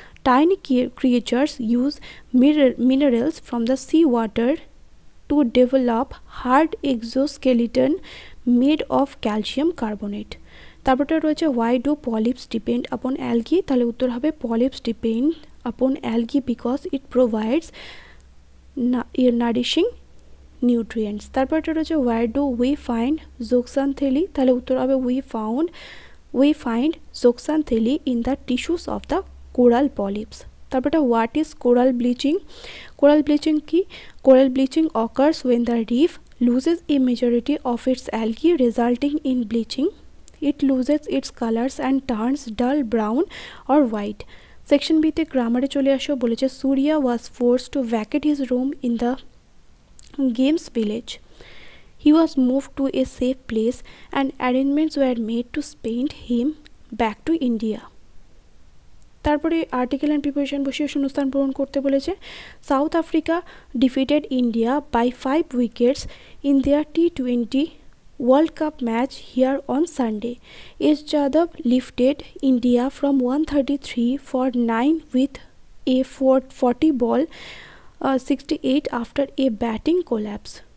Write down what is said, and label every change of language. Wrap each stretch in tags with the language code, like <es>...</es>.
<en>Tiny creatures use minerals from the sea water to develop hard exoskeleton made of calcium carbonate.</en> <bn>তারপরটা রয়েছে,</bn> <en>why do polyps depend upon algae,</en> <bn>তাহলে উত্তর হবে,</bn> <en>Polyps depend upon algae because it provides nourishing nutrients.</en> <bn>তারপর এটা রয়েছে,</bn> <en>where do we find zooxanthellae,</en> <bn>তাহলে উত্তর হবে,</bn> <en>we find zooxanthellae in the tissues of the coral polyps.</en> <bn>তারপর এটা,</bn> <en>what is coral bleaching, coral bleaching occurs when the reef loses a majority of its algae resulting in bleaching, it loses its colors and turns dull brown or white.</en> <bn>Section বিতে গ্রামারে চলে আসো, বলেছে,</bn> <en>Suriya was force to vacate his room in the games village, he was move to a safe place and arrangements were made to spend him back to India.</en> <bn>তারপরে article and preparation বসিয়ে শূন্যস্থান পূরণ করতে বলেছে,</bn> <en>South Africa defeated India by 5 wickets in their T20 World Cup match here on Sunday, S Yadav lifted India from 133 for 9 with a 40 ball 68 after a batting collapse.</en>